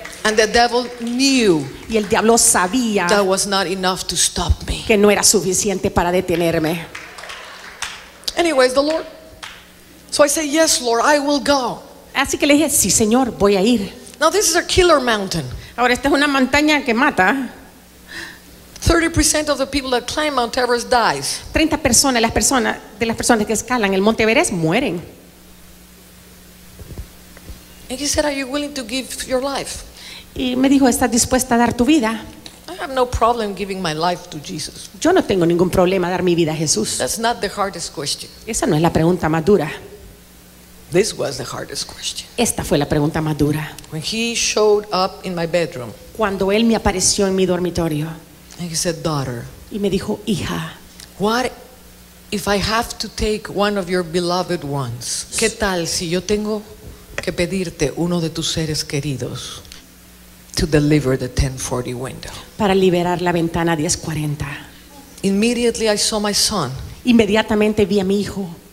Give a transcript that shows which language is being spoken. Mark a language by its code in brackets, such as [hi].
[en] And the devil knew, [es] y el diablo sabía, [en] that was not enough to stop me, [es] que no era suficiente para detenerme. [en] Anyways, the Lord. So I say, yes, Lord, I will go. [es] Así que le dije, sí, señor, voy a ir. [en] Now this is a killer mountain. [es] Ahora esta es una montaña que mata. [en] 30% of the people that climb Mount Everest dies. [es] 30% de las personas que escalan el Monte Everest mueren. [en] And he said, are you willing to give your life? [es] Y me dijo, ¿estás dispuesta a dar tu vida? [en] I have no problem giving my life to Jesus. [es] Yo no tengo ningún problema dar mi vida a Jesús. [en] That's not the hardest question. [es] Esa no es la pregunta más dura. [en] This was the hardest question. [es] Esta fue la pregunta más dura. [en] When he showed up in my bedroom, [es] cuando él me apareció en mi dormitorio, [en] and he said, daughter, [es] y me dijo, hija, [en] what if I have to take one of your beloved ones? [es] ¿Qué tal si yo tengo que pedirte uno de tus seres queridos? [en] To deliver the 1040 window. [es] Para liberar la ventana 1040. [en] Immediately I saw my son. [es] Inmediatamente vi a mi hijo.